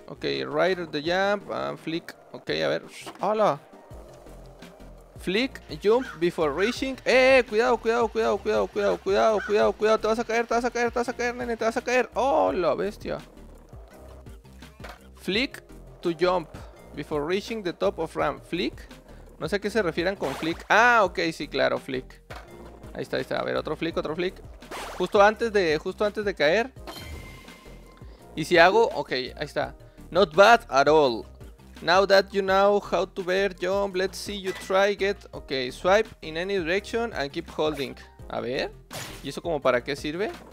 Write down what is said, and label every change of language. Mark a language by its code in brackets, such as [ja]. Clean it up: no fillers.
[en] Ok, right the jump and flick. Ok, [es] a ver. ¡Hala! [en] Flick, jump before reaching. [es] Cuidado, cuidado, cuidado, cuidado, cuidado, cuidado, cuidado, cuidado. Te vas a caer, te vas a caer, te vas a caer, nene, te vas a caer. ¡Oh, la bestia! [en] Flick to jump before reaching the top of ramp. Flick. [es] No sé a qué se refieran con flick. Ah, ok, sí, claro, flick. Ahí está, a ver, otro flick, otro flick. Justo antes de caer. Y si hago, ok, ahí está. [en] Not bad at all. Now that you know how to bear jump, let's see you try get... Ok, swipe in any direction and keep holding. [es] A ver, ¿y eso como para qué sirve?